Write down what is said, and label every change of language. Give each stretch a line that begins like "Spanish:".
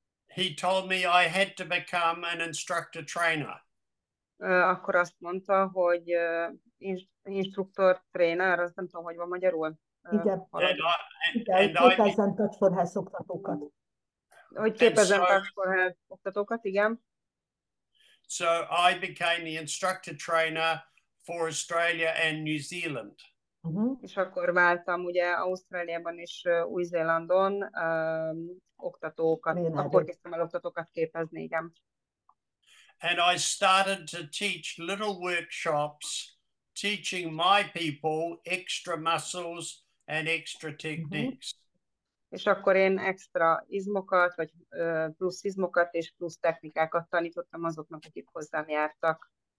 English: He told me I had to become an instructor trainer.
Hungarian: Akkor azt mondta, hogy instruktor tréner, azt nem tudom, hogy van magyarul. Igen, kutatásokat szoktatókat. Hogy képezem a oktatókat, igen.
English: So I became the instructor trainer for Australia and New Zealand.
Hungarian: És akkor váltam ugye Ausztráliában és Új-Zélandon oktatókat, akkor kezdtem el oktatókat képezni, igen.
English: And I started to teach little workshops, teaching my people extra muscles and extra techniques.
Hungarian: És akkor én extra izmokat, vagy plusz izmokat és plusz technikákat tanítottam azoknak, akik hozzám jártak.